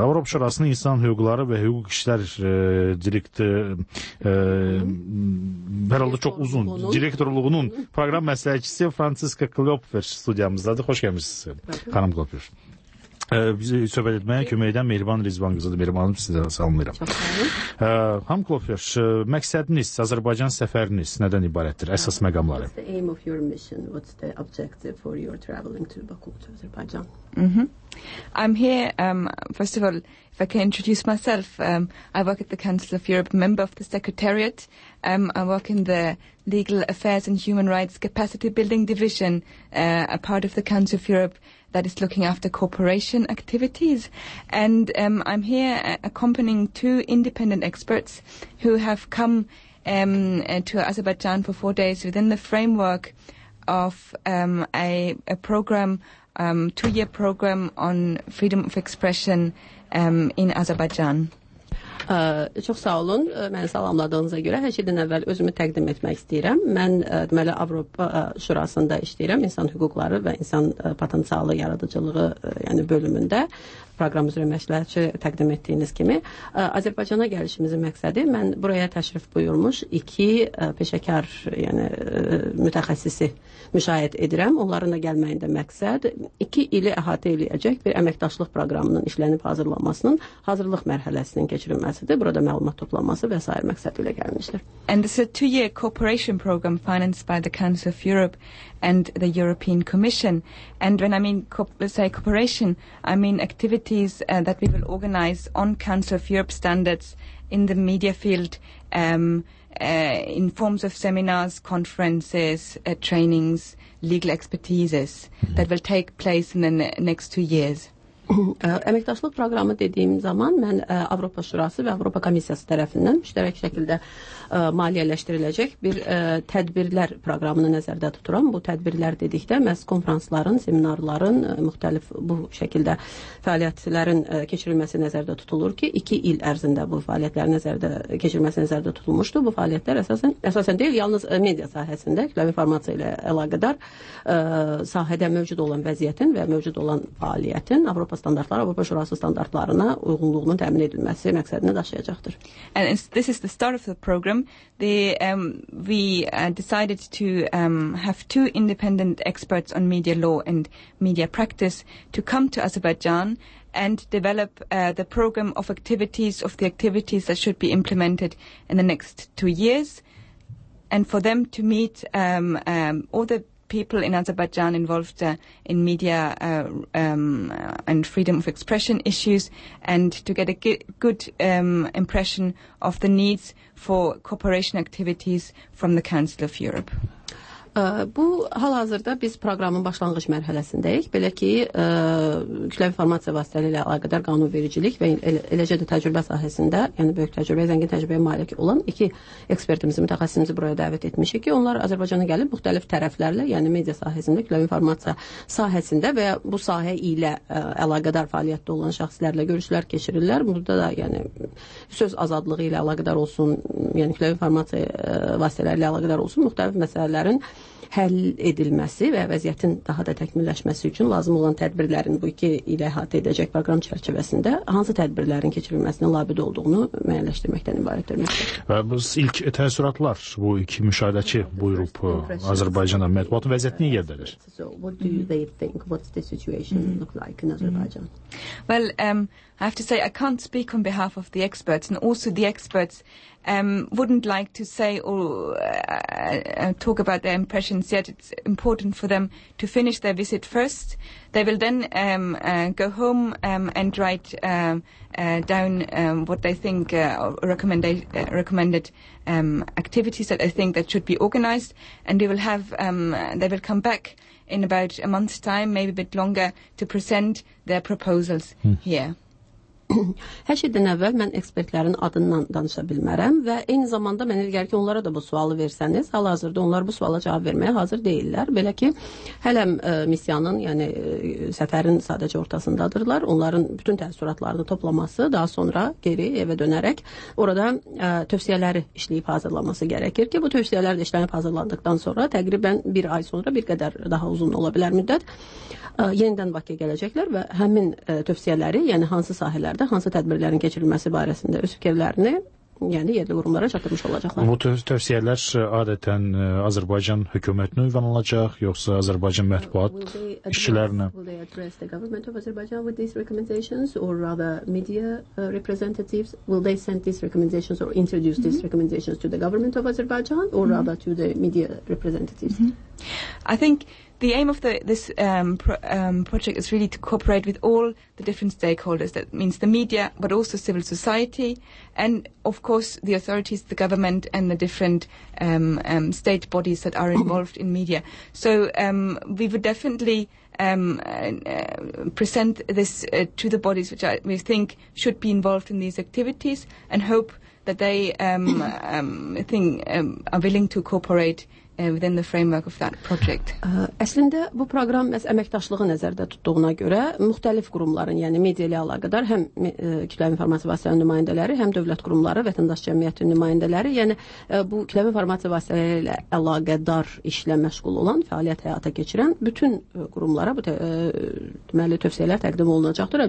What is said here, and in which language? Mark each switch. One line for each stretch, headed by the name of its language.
Azerbaijani: Avropa Şurasının İnsan Hüquqları və Hüquq İşlər direktorluğunun proqram məsləhətçisi Fransiska Klopfer studiyamızdadır. Xoş gəlmişsiniz, xanım Klopfer. Bizi söhbət etməyə kömək edən Mehriban Rizvan qızıdır. Mehriban Hanım, sizə salamlayıram. Çox sağ olun. Xanım Klopfer, məqsədiniz, Azərbaycan səfəriniz nədən ibarətdir? Əsas məqamları.
English: What's the aim of your mission? What's the objective for your traveling to Baku, to Azərbaycan? I'm here, first of all, if I can introduce myself, I work at the Council of Europe, member of the Secretariat. I work in the Legal Affairs and Human Rights Capacity Building Division, a part of the Council of Europe that is looking after cooperation activities. And I'm here accompanying two independent experts who have come to Azerbaijan for 4 days within the framework of a program, 2-year program on freedom of expression in Azerbaijan.
Azerbaijani: Çox sağ olun. Məni salamladığınıza görə hər şeydən əvvəl özümü təqdim etmək istəyirəm. Mən deməli Avropa Şurasında işləyirəm, insan hüquqları və insan potensialı yaradıcılığı, yəni bölümündə. proqram üzrə məsləhətçi təqdim etdiyiniz kimi. Azərbaycana gəlişimizin məqsədi, mən buraya təşrif buyurmuş iki peşəkar yəni, mütəxəssisi müşahidə edirəm. Onların da gəlməyində məqsəd iki ili əhatə edəcək bir əməkdaşlıq proqramının işlənib hazırlanmasının hazırlıq mərhələsinin keçirilməsidir. Burada məlumat toplanması və s. məqsədi ilə gəlmişdir.
English: And this is a two-year cooperation program financed by the Council of Europe and the European Commission. And when I mean cooperation, I mean activities that we will organize on Council of Europe standards in the media field, in forms of seminars, conferences, trainings, legal expertises that will take place in the next 2 years.
Azerbaijani: Əməkdaşlıq proqramı dediyim zaman mən Avropa Şurası və Avropa Komissiyası tərəfindən müştərək şəkildə maliyyələşdiriləcək bir tədbirlər proqramını nəzərdə tuturam. Bu tədbirlər dedikdə məhz konfransların, seminarların, müxtəlif bu şəkildə fəaliyyətlərin keçirilməsi nəzərdə tutulur ki, 2 il ərzində bu fəaliyyətlər nəzərdə keçirilməsi nəzərdə tutulmuşdur. Bu fəaliyyətlər əsasən deyil, yalnız media sahəsində, kütləvi informasiya ilə əlaqədar sahədə mövcud olan vəziyyətin və mövcud olan fəaliyyətin Avropa standartları, Avropa Şurası standartlarına uyğunluğunun təmin edilməsi məqsədini daşıyacaqdır.
English: And this is the start of the program. The we decided to have two independent experts on media law and media practice to come to Azerbaijan and develop the program of activities of the activities that should be implemented in the next 2 years and for them to meet all the people in Azerbaijan involved in media and freedom of expression issues and to get a good impression of the needs for cooperation activities from the Council of Europe.
Azerbaijani: Bu hal-hazırda biz proqramın başlanğıc mərhələsindəyik. Belə ki, kütləvi informasiya vasitələri ilə əlaqədar qanunvericilik və eləcə də təcrübə sahəsində, yəni böyük təcrübə, zəngin təcrübəyə malik olan iki ekspertimizi, mütəxəssisimizi buraya dəvət etmişik ki, onlar Azərbaycana gəlib müxtəlif tərəflərlə, yəni media sahəsində, kütləvi informasiya sahəsində və bu sahə ilə əlaqədar fəaliyyətdə olan şəxslərlə görüşlər keçirirlər. Burada da yəni söz azadlığı ilə əlaqədar olsun, yəni kütləvi informasiya vasitələri ilə əlaqədar olsun müxtəlif məsələlərin həll edilməsi və vəziyyətin daha da təkmilləşməsi üçün lazım olan tədbirlərin bu iki ilə əhatə edəcək proqram çərçivəsində hansı tədbirlərin keçirilməsinə labid olduğunu müəyyənləşdirməkdən ibarətdir. Və bu ilk təəssüratlar bu iki müşahidəçi buyurub Azərbaycana mətbuat vəziyyət necə yerdədir?
English: What do they think? What's the situation look like in Azerbaijan? Well, I have to say I can't speak on behalf of the experts and also the experts wouldn't like to say or talk about their impressions yet. It's important for them to finish their visit first. They will then go home and write down what they think recommended activities that they think that should be organized, and they will have they will come back in about a month's time, maybe a bit longer, to present their proposals here.
Azerbaijani: Hər şeydən əvvəl mən ekspertlərin adından danışa bilmərəm və eyni zamanda mən deyərəm ki, onlara da bu sualı versəniz, hal-hazırda onlar bu suala cavab verməyə hazır deyillər. Belə ki, hələ missiyanın, yəni səfərin sadəcə ortasındadırlar. Onların bütün təəssüratlarını toplaması, daha sonra geri evə dönərək orada tövsiyələri işləyib hazırlaması gərəkir ki, bu tövsiyələr də işlənib hazırlandıqdan sonra təqribən bir ay sonra bir qədər daha uzun ola bilər müddət. Yenidən Bakıya gələcəklər və həmin tövsiyələri, yəni hansı sahələrdə, hansı tədbirlərin keçirilməsi barəsində öz fikirlərini yəni yerli qurumlara çatdırmış olacaqlar. Bu tövsiyələr adətən Azərbaycan hökumətinə ünvanlanacaq, yoxsa Azərbaycan mətbuat işçilərinə?
English: Will they address the government of Azerbaijan with these recommendations or rather media representatives? Will they send these recommendations or introduce these recommendations to the government of Azerbaijan or rather to the media representatives? I think the aim of this project is really to cooperate with all the different stakeholders. That means the media, but also civil society, and of course the authorities, the government, and the different state bodies that are involved in media. So we would definitely present this to the bodies which we think should be involved in these activities, and hope that they are willing to cooperate within the framework of that project.
Azerbaijani: Əslində bu proqram məhz əməkdaşlığı nəzərdə tutduğuna görə müxtəlif qurumların, yəni media ilə əlaqədar həm kütləvi informasiya vasitələrinin nümayəndələri, həm dövlət qurumları, vətəndaş cəmiyyətinin nümayəndələri, yəni bu kütləvi informasiya vasitələri ilə əlaqədar işlə məşğul olan, fəaliyyət həyata keçirən bütün qurumlara bu deməli tövsiyələr təqdim olunacaqdır.